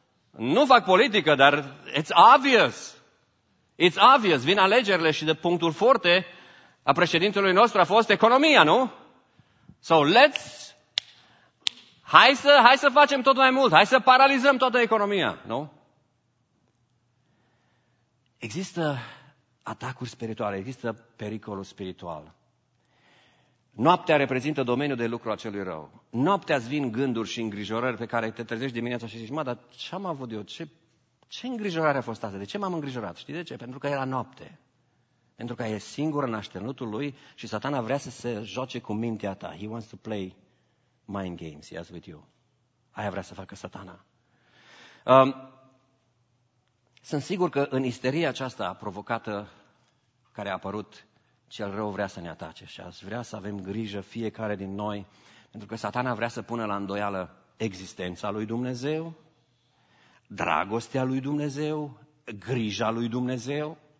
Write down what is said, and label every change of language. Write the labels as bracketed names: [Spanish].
[Romanian] Nu fac politică, dar [English] it's obvious. It's obvious, [Romanian] vin alegerile și de punctul forte a președintelui nostru a fost economia, nu? So hai să facem tot mai mult, hai să paralizăm toată economia, nu? Există atacuri spirituale, există pericolul spiritual. Noaptea reprezintă domeniul de lucru a celui rău. Noaptea îți vin gânduri și îngrijorări pe care te trezești dimineața și zici, dar ce am avut eu? Ce îngrijorare a fost asta? De ce m-am îngrijorat? Știi de ce? Pentru că e la noapte. Pentru că e singur în așternutul lui și satana vrea să se joace cu mintea ta. [English] He wants to play mind games, yes, with you. [Romanian] Aia vrea să facă satana. Sunt sigur că în isteria aceasta provocată care a apărut, cel rău vrea să ne atace și aș vrea să avem grijă fiecare din noi, pentru că satana vrea să pună la îndoială existența lui Dumnezeu, dragostea lui Dumnezeu, grija lui Dumnezeu.